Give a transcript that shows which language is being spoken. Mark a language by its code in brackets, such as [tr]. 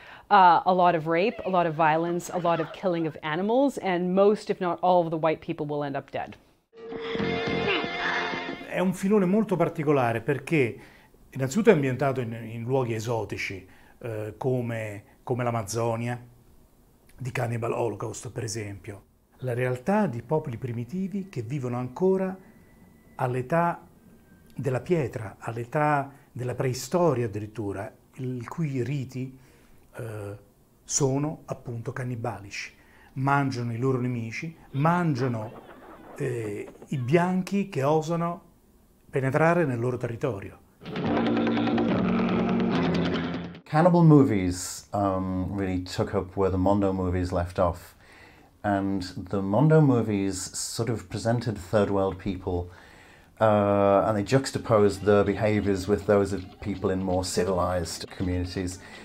[en] A lot of rape, a lot of violence, a lot of killing of animals, and most, if not all, of the white people will end up dead. [it] È un filone molto particolare perché innanzitutto è ambientato in luoghi esotici come l'Amazzonia, di Cannibal Holocaust per esempio. La realtà di popoli primitivi che vivono ancora all'età della pietra, all'età della preistoria addirittura, i cui riti sono appunto cannibalici. Mangiano i loro nemici, mangiano i bianchi che osano penetrare nel loro territorio. [en] Cannibal movies really took up where the Mondo movies left off. And the Mondo movies sort of presented third world people and they juxtaposed their behaviors with those of people in more civilized communities.